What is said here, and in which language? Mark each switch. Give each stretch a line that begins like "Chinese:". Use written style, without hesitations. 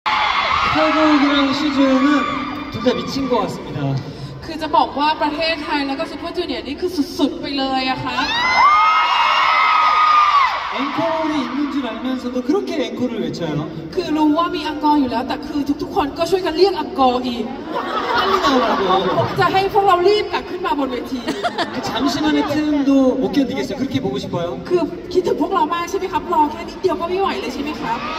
Korean: 태국이랑 시즈는 둘 다 미친 것 같습니다.
Thai: 그จะบอกว่าประเทศไทยแล้วก็ซุปเปอร์จูเนียร์นี่คือสุดๆไปเลยอะค่ะ
Korean: 앵콜이 있는 줄 알면서도 그렇게 앵콜을 외쳐요.
Thai: 그รู้ว่ามีอังกอร์อยู่แล้วแต่คือทุกๆคนก็ช่วยกันเรียกอังกอร์อีก
Korean: 빨리 나오라고.
Thai: จะให้พวกเรารีบกลับขึ้นมาบนเวที.
Korean: 잠시만의 틈도 못 견디겠어요. 그렇게 보고 싶어요.
Thai: 그기대พวกเรามากใช่ไหมครับรอแค่นิดเดียวก็ไม่ไหวเลยใช่ไหมครับ